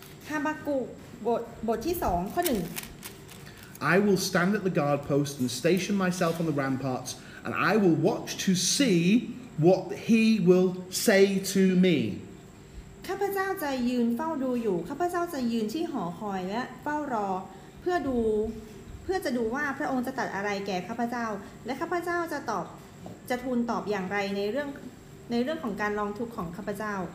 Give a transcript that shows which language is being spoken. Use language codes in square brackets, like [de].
[th] Habakkuk บทที่สองข้อหนึ่ง [en] I will stand at the guard post and station myself on the ramparts, and I will watch to see what he will say to me. [th] ข้าพเจ้าจะยืนเฝ้าดูอยู่ข้าพเจ้าจะยืนที่หอคอยและเฝ้ารอเพื่อจะดูว่าพระองค์จะตรัสอะไรแก่ข้าพเจ้าและข้าพเจ้าจะทูลตอบอย่างไรในเรื่องของการลองทุกข์ของข้าพเจ้า